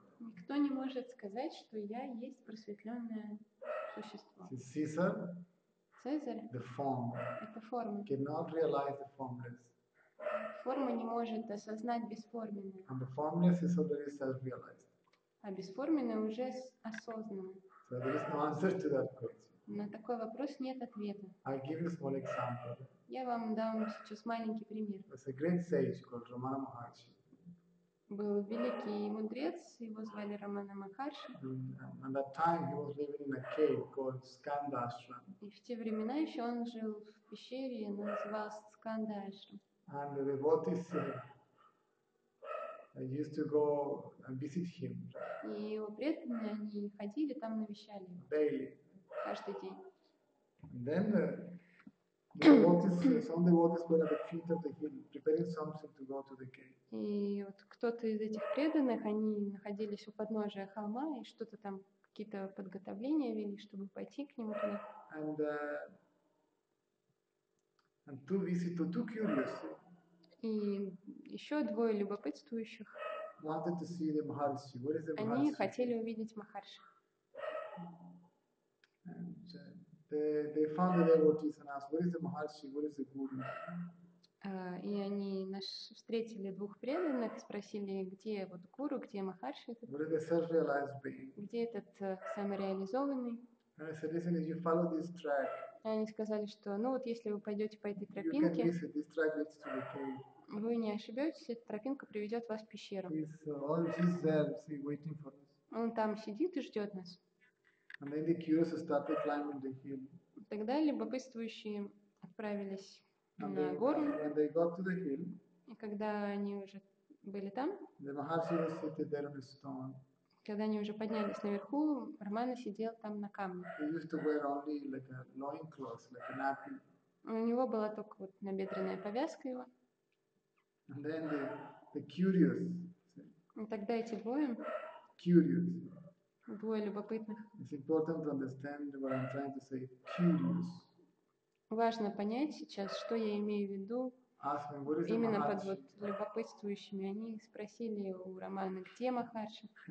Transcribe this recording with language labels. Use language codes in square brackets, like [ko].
[ru] Никто не может сказать, что я есть просветленное существо. Цезарь, [en] the form, [ru] это форма, [en] cannot realize the formless. [ru] Форма не может осознать бесформенное. [en] And the formless is already self-realized. [ru] А бесформенное уже осознанно. [en] So there is no answer to that question. [ru] На такой вопрос нет ответа. [en] I'll give you a small example. [ru] Я вам дам сейчас маленький пример. [en] There's a great sage called Ramana Maharshi. [ru] Был великий мудрец, его звали Рамана Махарши. [en] At that time he was living in a cave called Skandashram. [ru] И в те времена еще он жил в пещере, назывался Скандашрам. [en] And the devotees used to go and visit him. [ru] И его преданные, они ходили там, навещали его. [en] Daily. [ru] Каждый день. [en] And then some devotees were at the feet of the hill, preparing something to go to the cave. [ru] И вот кто-то из этих преданных, они находились у подножия холма и что-то там, какие-то подготовления вели, чтобы пойти к нему туда. [en] And two visitors, two curious. [ru] И еще двое любопытствующих. [en] Wanted to see the Maharshi. Where is the [ru] Maharshi? Они хотели увидеть Махарши. [en] They found the devotees and asked, where is the Maharshi? Where is the guru? [ru] И они встретили двух преданных, спросили, где вот гуру, где Махарши этот, [en] Where is the self-realized being? [ru] где этот самореализованный. [en] And I said, listen, if you follow this track, [ru] и они сказали, что ну вот если вы пойдете по этой [en] you can [ru] тропинке, [en] miss it. This track leads to the cave. [ru] Вы не ошибетесь, эта тропинка приведет вас в пещеру. [en] He's always there, see, waiting for us. [ru] Он там сидит и ждет нас. [en] And then the curious started climbing the hill. [ru] Тогда любопытствующие отправились на гору. [en] When they got to the hill, [ru] и когда они уже были там, [en] the Maharshi was sitting there on a stone. [ru] Когда они уже поднялись наверху, Рамана сидел там на камне. [en] He used to wear only like a loin cloth, like a napkin. [ru] У него была только вот набедренная повязка его. [en] And then the curious. [ru] И тогда эти двое. [en] Curious. [ru] Двое любопытных. [en] It's important to understand what I'm trying to say. Curious. [ru] Важно понять сейчас, что я имею в виду именно под вот любопытствующими. Они спросили у Романа, где Махарши?